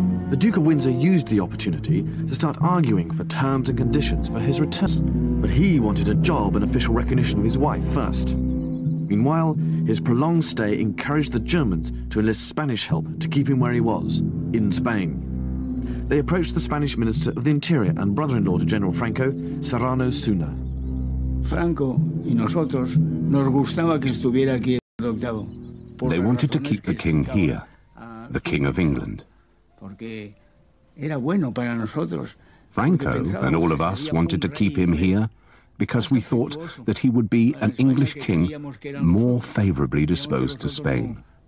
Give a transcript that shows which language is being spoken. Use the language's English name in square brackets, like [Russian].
[English] The Duke of Windsor used the opportunity to start arguing for terms and conditions for his return, but he wanted a job and official recognition of his wife first. Meanwhile, his prolonged stay encouraged the Germans to enlist Spanish help to keep him where he was, in Spain. They approached the Spanish Minister of the Interior and brother-in-law to General Franco, Serrano Suna. [Spanish] Franco y nosotros nos gustaba que estuviera aquí el octavo. [English] They wanted to keep the king here, the King of England. Franco and all of us wanted to keep him here because we thought that he would be an English king more favorably disposed to Spain.